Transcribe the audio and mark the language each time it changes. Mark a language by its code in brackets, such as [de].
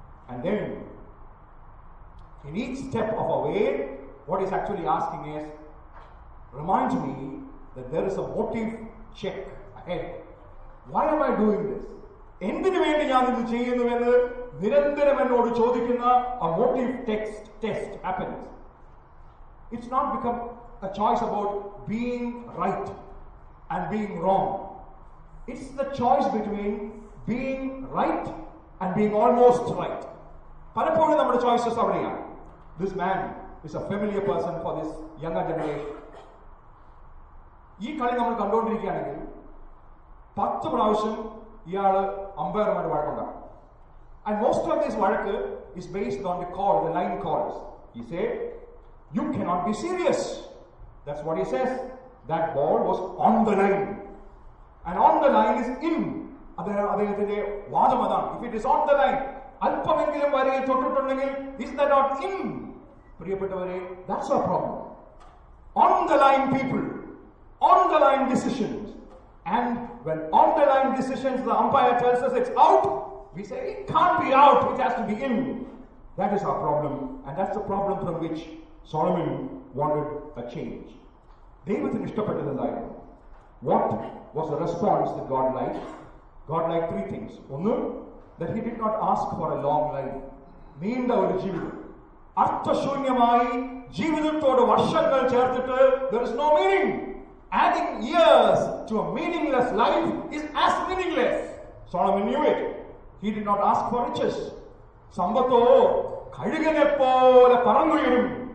[en] And then in each step of our way, what he's actually asking is, remind me that there is a motive check ahead. Why am I doing this? [ml] എന്തിനു വേണ്ടി ഞാൻ ഇത് ചെയ്യുന്നുവെന്ന് നിരന്തരം എന്നോട് ചോദിക്കുന്ന [en] a motive test happens. It's not become a choice about being right and being wrong. It's the choice between being right and being almost right. [ml] പലപ്പോഴും നമ്മുടെ choices അവിടെയാണ്. [en] This man is a familiar person for this younger generation. [ml] ഈ കളി നമ്മൾ കണ്ടുകൊണ്ടിരിക്കുകയാണെങ്കിൽ 10 പ്രാവശ്യം ഇയാള് അമ്പയർമാരുടെ വഴക്കുണ്ടാകും. [en] And most of this വഴക്ക് is based on the call, the line calls. He said, you cannot be serious. That's what he says. That ball was on the line. And on the line is in. [ml] അദ്ദേഹത്തിന്റെ വാദം അതാണ്. [en] If it is on the line, [ml] അല്പമെങ്കിലും വരയെ തൊട്ടിട്ടുണ്ടെങ്കിൽ, [en] is that not in? പ്രിയപ്പെട്ടവരെ, that's our problem. On the line people, on the line decisions. And when on the line decisions, the umpire tells us it's out, we say it can't be out, it has to be in. That is our problem. And that's the problem from which Solomon wanted a change. [ml] ദൈവത്തിന് ഇഷ്ടപ്പെട്ടത് എന്തായിരുന്നു? [en] What was the response that God liked? God liked three things. ഒന്ന്, that he did not ask for a long life. [ml] നീണ്ട ഒരു ജീവിതം. അർത്ഥശൂന്യമായി ജീവിതത്തോട് വർഷങ്ങൾ ചേർത്തിട്ട് [en] there is no meaning. Adding years to a meaningless life is as meaningless. Solomon knew it. He did not ask for riches. [ml] സമ്പത്തോ കഴുകനെ പോലെ പറന്നുയരും.